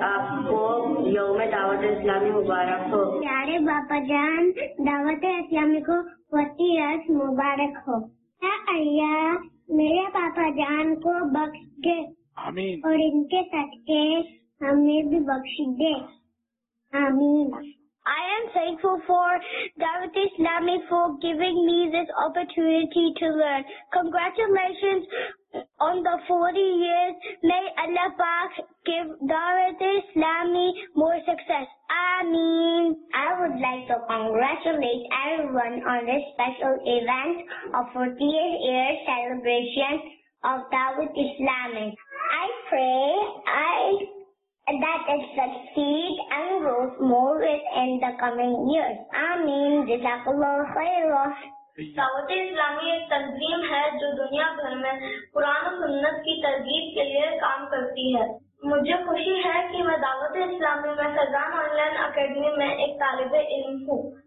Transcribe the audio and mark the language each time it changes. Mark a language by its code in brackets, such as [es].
[ur] امیر علی سنت کا بہت شکریہ آپ نے ہمیں دعوت اسلامی کا توفیق دیا. آپ کو یوم دعوت اسلامی مبارک ہو. پیارے باپا جان, دعوت اسلامی کو 25 مبارک ہو. اے اللہ میرے پاپا جان کو بخش دے, آمین, اور ان کے صدقے ہمیں بھی بخش دے, آمین. [en] I am thankful for Dawat Islami for giving me this opportunity to learn. Congratulations on the 40 years. May Allah Pak give Dawat Islami more success. Ameen. I would like to congratulate everyone on this special event of 40th year celebration of Dawat Islami. I pray that it succeed and grows more within the coming years. Ameen. Jazakallah khairan. [ur] دعوت اسلامی ایک تنظیم ہے جو دنیا بھر میں قرآن و سنت کی ترغیب کے لیے کام کرتی ہے. مجھے خوشی ہے کہ میں دعوت اسلامی میں فیضان آن لائن اکیڈمی میں ایک طالب علم ہوں.